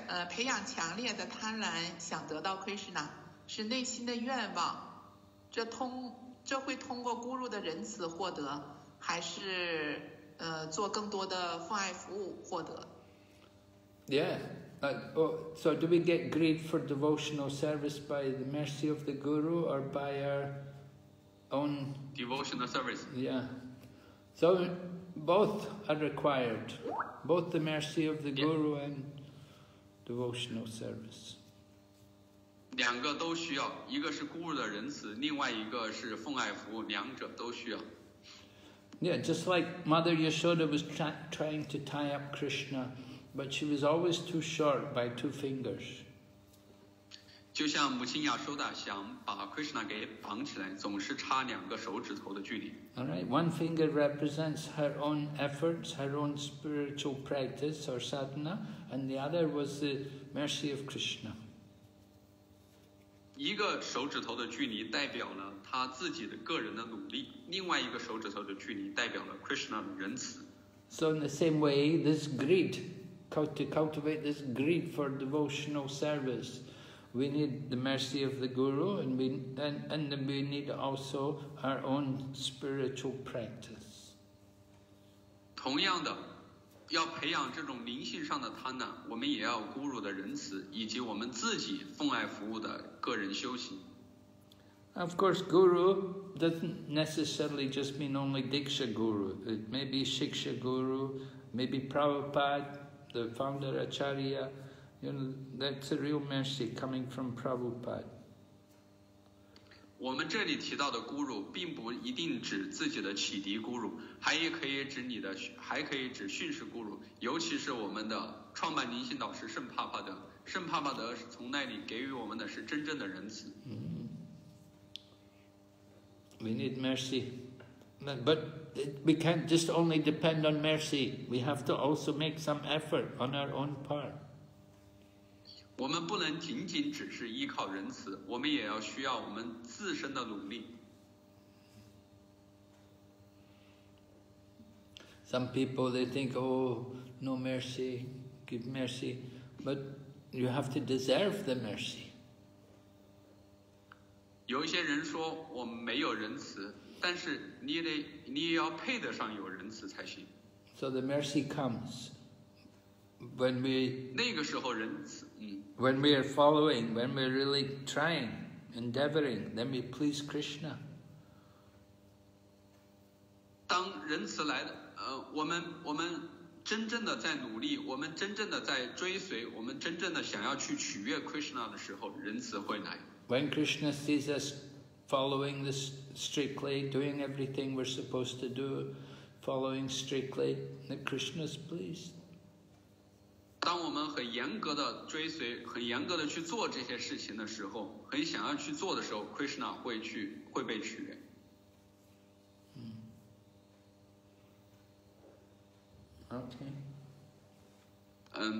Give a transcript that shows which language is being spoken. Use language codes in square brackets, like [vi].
[zh] 培养强烈的贪婪，想得到 Krishna。是内心的愿望，这会通过咕噜的仁慈获得，还是做更多的奉爱服务获得 [en] ？Yeah, so do we get greed for devotional service by the mercy of the guru or by our own devotional service? Yeah, so both are required, both the mercy of the guru and devotional service. [zh] 两个都需要，一个是孤儿的仁慈，另外一个是奉爱服务，两者都需要。 [en] Yeah, just like Mother Yashoda was trying to tie up Krishna, but she was always too short by two fingers. [zh] 就像母亲亚修达想把 Krishna 给绑起来，总是差两个手指头的距离。 [en] All right, one finger represents her own efforts, her own spiritual practice or sadhana, and the other was the mercy of Krishna. [zh] 一个手指头的距离代表了他自己的个人的努力，另外一个手指头的距离代表了 Krishna 的仁慈。 [en] So in the same way, this greed, to cultivate this greed for devotional service, we need the mercy of the guru, and we need also our own spiritual practice. [zh] 同样的，要培养这种灵性上的贪婪，我们也要咕噜的仁慈，以及我们自己奉爱服务的。 [en] Of course, guru doesn't necessarily just mean only Diksha guru. It may be Shiksha guru, maybe Prabhupada, the founder Acharya. You know, that's a real mercy coming from Prabhupada. [zh] 我们这里提到的 guru 并不一定指自己的启迪 guru， 还可以指训士 guru， 尤其是我们的创办灵性导师圣帕帕德。圣帕帕德从那里给予我们的是真正的仁慈。 [en] We need mercy, but we can't just only depend on mercy. We have to also make some effort on our own part. [zh] 我们不能仅仅只是依靠仁慈，我们也要需要我们自身的努力。 [en] Some people they think, oh, no mercy, give mercy, but you have to deserve the mercy. [zh] 有一些人说我没有仁慈，但是你也要配得上有仁慈才行。 [en] So the mercy comes when we [zh] 那个时候仁慈， [en] When we are following, when we are really trying, endeavoring, then we please Krishna. [zh] 当仁慈来的，我们真正的在努力，我们真正的在追随，我们真正的想要去取悦 Krishna 的时候，仁慈会来。 [en] When Krishna sees us following this strictly, doing everything we're supposed to do, following strictly, then Krishna's pleased. [zh] 当我们很严格的追随，很严格的去做这些事情的时候，很想要去做的时候 ，Krishna 会被取悦。 [en] Okay.